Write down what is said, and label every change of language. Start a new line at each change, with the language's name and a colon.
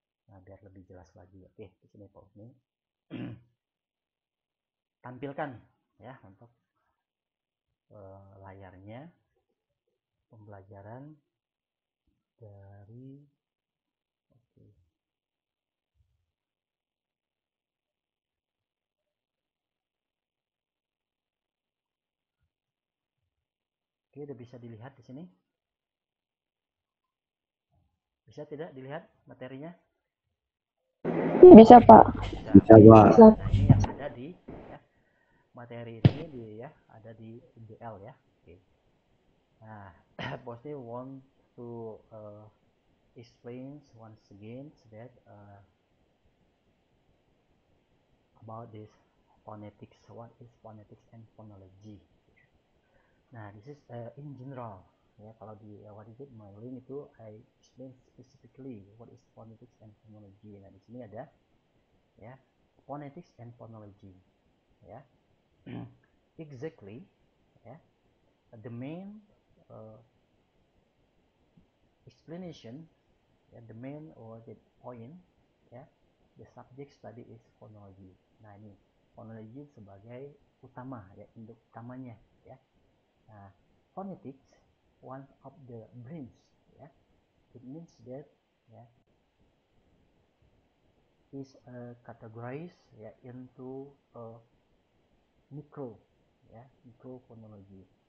Indonesian: Nah, biar lebih jelas lagi. Oke, di sini Pak Usni tampilkan ya untuk layarnya pembelajaran dari Oke, sudah bisa dilihat di sini. Bisa tidak dilihat materinya? Bisa, Pak. Bisa. Nah, ini yang ada di materi ini di ya, ada di UBL ya. Oke.
English: Nah, bosnya want to explain once again that about this phonetics, what is phonetics and phonology. Nah, this is in general ya.
Indonesian: Kalau di
English: what is it my link
Indonesian: itu
English: I explain specifically what is phonetics and phonology.
Indonesian: Nah, di sini ada ya, phonetics and phonology ya.
English: Exactly, yeah. The main explanation, yeah, the main or the point, yeah, the subject study is phonology.
Indonesian: Nah, ini phonology sebagai utama, ya, yeah, induk utamanya, ya.
English: Yeah. Nah, phonetics one of the brains, yeah. It means that, yeah, is categorized, yeah, into
Indonesian: mikro ya, mikro fonologi.